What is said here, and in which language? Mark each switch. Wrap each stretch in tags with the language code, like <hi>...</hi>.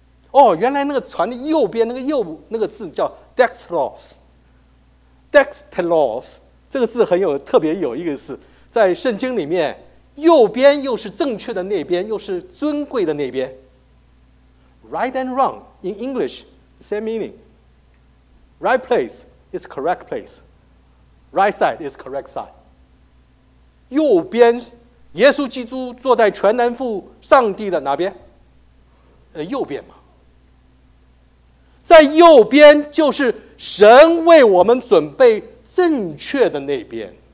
<zh>哦，原来那个船的右边那个右那个字叫 dextros， 这个字很有特别有意思，在圣经里面右边又是正确的那边，又是尊贵的那边。</zh> <en>Right and wrong in English same meaning， Right place is correct place， Right side is correct side。</en> <zh>右边，耶稣基督坐在全能父上帝的哪边？右边嘛，在右边就是神为我们准备正确的那边。</zh>